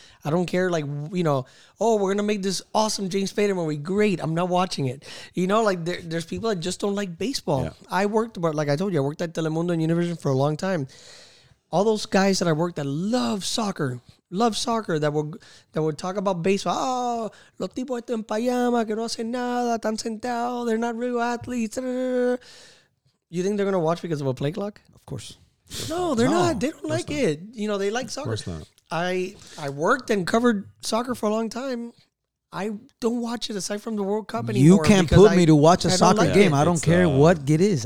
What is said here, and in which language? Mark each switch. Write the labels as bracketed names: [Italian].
[English] I don't care, like, you know, oh, we're going to make this awesome James Spader movie. Great. I'm not watching it. You know, like, there's people that just don't like baseball. Yeah. I worked at Telemundo and Univision for a long time. All those guys that I worked that love soccer, that would talk about baseball. [Spanish] Oh, los tipos están en payama, que no hacen nada, están sentados, [English] they're not real athletes. You think they're going to watch because of a play clock? Of course. No, they're not. They don't like it. You know, they like soccer. Of course not. I worked and covered soccer for a long time. I don't watch it aside from the World Cup anymore. You can't put me to watch a soccer game. I don't care what it is.